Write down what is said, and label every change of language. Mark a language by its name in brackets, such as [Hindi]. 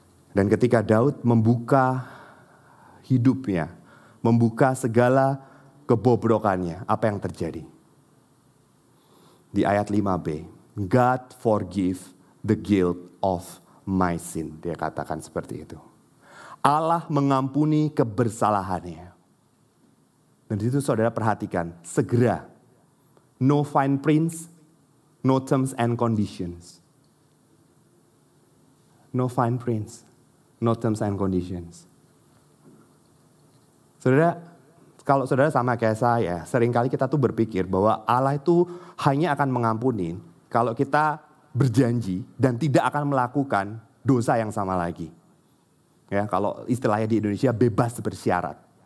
[Indonesian] Dan ketika Daud membuka hidupnya, membuka segala kebobrokannya, apa yang terjadi? Di ayat 5b, [English] God forgive the guilt of my sin. [Indonesian] Dia katakan seperti itu. Allah mengampuni kebersalahannya. Dan di situ saudara perhatikan, segera. [English] No fine prints, no terms and conditions. No fine prints, no terms and conditions. [Indonesian] Saudara, kalau saudara sama kayak saya, seringkali kita tuh berpikir bahwa Allah itu hanya akan mengampuni kalau kita berjanji dan tidak akan melakukan dosa yang sama lagi. Ya, kalau istilahnya di Indonesia bebas bersyarat.